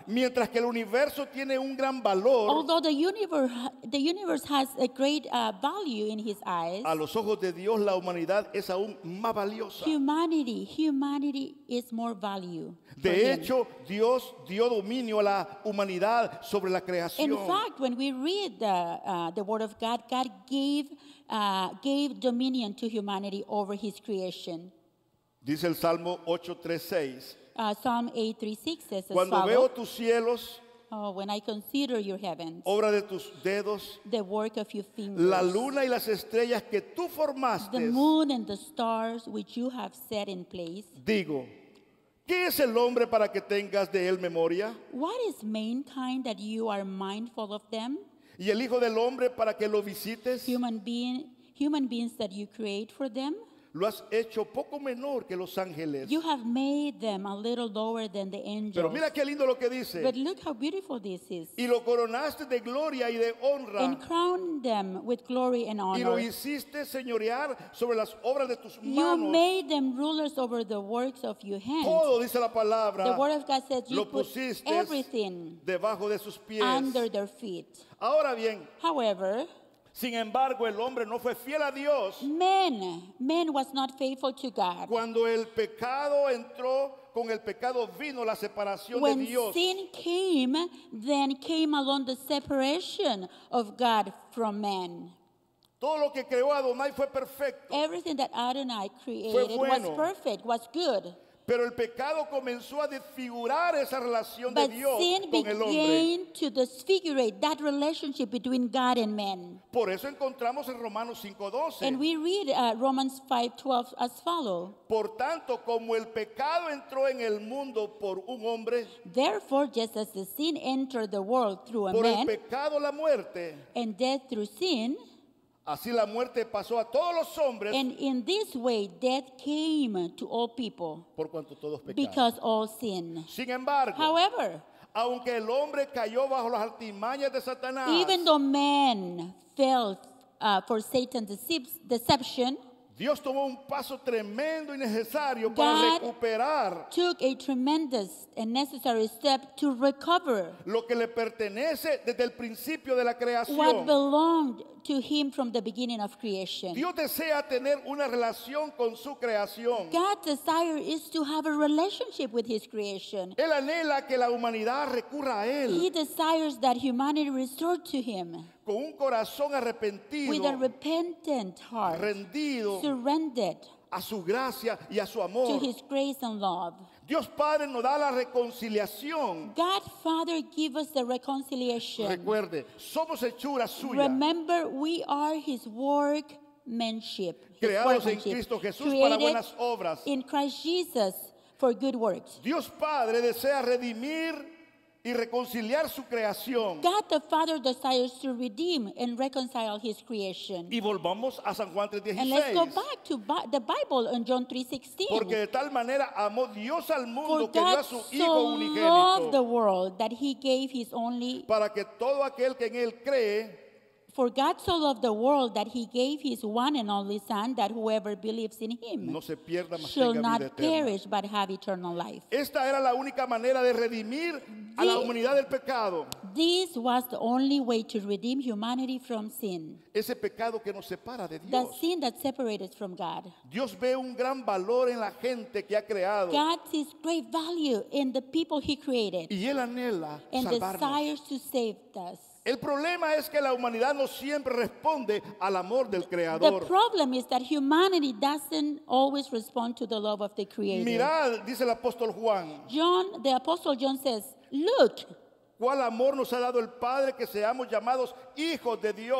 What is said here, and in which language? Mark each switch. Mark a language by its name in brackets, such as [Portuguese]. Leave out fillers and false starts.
[Spanish] Mientras que el universo tiene un gran valor, [English] although the universe has a great value in his eyes, [Spanish] a los ojos de Dios la humanidad es aún más valiosa. [English] Humanity is more value. [Spanish] De hecho, Dios dio dominio a la humanidad sobre la creación. [English] In fact, when we read the word of God, God gave dominion to humanity over his creation. [Spanish] Dice el Salmo 8:3-6. [English] Psalm 8:3-6 says, [Spanish] cuando [English] as [Spanish] veo tus cielos, [English] oh, when I consider your heavens, [Spanish] obra de tus dedos, [English] the work of your fingers, [Spanish] la luna y las estrellas que tú formaste, [English] the moon and the stars which you have set in place, [Spanish] digo, ¿qué es el hombre para que tengas de él memoria? [English] What is mankind that you are mindful of them? [Spanish] Y el hijo del hombre para que lo visites. [English] Human beings that you create for them. [Spanish] Lo has hecho poco menor que los ángeles. [English] You have made them a little lower than the angels. [Spanish] Pero mira qué lindo lo que dice. [English] But look how beautiful this is. [Spanish] Y lo coronaste de gloria y de honra. [English] And crowned them with glory and honor. [Spanish] Y lo hiciste señorear sobre las obras de tus manos. [English] You made them rulers over the works of your hands. [Spanish] Todo dice la palabra. [English] The word of God says you [Spanish] lo [English] put everything [Spanish] debajo de sus pies. [English] Under their feet. [Spanish] Ahora bien, [English] however, [Spanish] sin embargo, el hombre no fue fiel a Dios. [English] Man was not faithful to God. [Spanish] Cuando el pecado entró, con el pecado vino la separación [English] when [Spanish] de Dios. [English] When sin came, then came along the separation of God from man. [Spanish] Todo lo que creó Adonai fue perfecto. [English] Everything that Adonai created [Spanish] fue bueno. [English] Was perfect, was good. [Spanish] Pero el pecado comenzó a desfigurar esa relación [English] but [Spanish] de Dios con el hombre. [English] But sin began to disfigure that relationship between God and man. [Spanish] Por eso encontramos en Romanos 5:12. [English] And we read Romans 5:12 as follows. [Spanish] Por tanto, como el pecado entró en el mundo por un hombre, [English] therefore, just as the sin entered the world through a [Spanish] por [English] man, [Spanish] por el pecado la muerte, [English] and death through sin, [Spanish] así la muerte pasó a todos los hombres. [English] And in this way, death came to all people. [Spanish] Por cuanto todos pecaron. [English] Because all sin. [Spanish] Sin embargo, [English] however, [Spanish] aunque el hombre cayó bajo las artimañas de Satanás, [English] even though man fell for Satan's deception, [Spanish] Dios tomó un paso tremendo y necesario para recuperar. [English] God took a tremendous and necessary step to recover [Spanish] lo que le pertenece desde el principio de la creación. [English] What belonged to him from the beginning of creation. [Spanish] Dios desea tener una relación con su creación. [English] God's desire is to have a relationship with his creation. [Spanish] Él anhela que la humanidad recurra a él. [English] He desires that humanity restore to him. [Spanish] Con un corazón arrepentido, [English] with a repentant heart, [Spanish] rendido, [English] surrendered [Spanish] a su gracia y a su amor, [English] to his grace and love. [Spanish] Dios Padre nos da la reconciliación. [English] God Father give us the reconciliation. [Spanish] Recuerde, somos hechura suya. [English] Remember, we are his workmanship. [Spanish] Creados en Cristo Jesús para buenas obras. [English] In Christ Jesus for good works. [Spanish] Dios Padre desea redimir y reconciliar su creación. [English] God the Father desires to redeem and reconcile his creation. [Spanish] Y volvamos a San Juan 3:16. [English] And let's go back to the Bible in John 3:16. [Spanish] Porque de tal manera amó Dios al mundo [English] for [Spanish] que dio a su [English] so [Spanish] hijo unigénito. [English] Loved the world that he gave his only. [Spanish] Para que todo aquel que en él cree. [English] For God so loved the world that he gave his one and only son that whoever believes in him [Spanish] no se pierda, mas [English] shall [Spanish] tenga [English] not [Spanish] vida [English] perish [Spanish] eterna. [English] But have eternal life. [Spanish] Esta era la única manera de redimir a la humanidad del pecado. [English] This was the only way to redeem humanity from sin. [Spanish] Ese pecado que nos separa de Dios. [English] The sin that separates us from God. [Spanish] Dios ve un gran valor en la gente que ha creado. [English] God sees great value in the people he created. [Spanish] Y él anhela [English] and [Spanish] salvarnos. [English] Desires to save us. [Spanish] El problema es que la humanidad no siempre responde al amor del creador. [English] The problem is that humanity doesn't always respond to the love of the creator. [Spanish] Mirad, dice el apóstol Juan. [English] John, the apostle John says, look. [Spanish] ¿Cuál amor nos ha dado el Padre que seamos llamados hijos de Dios?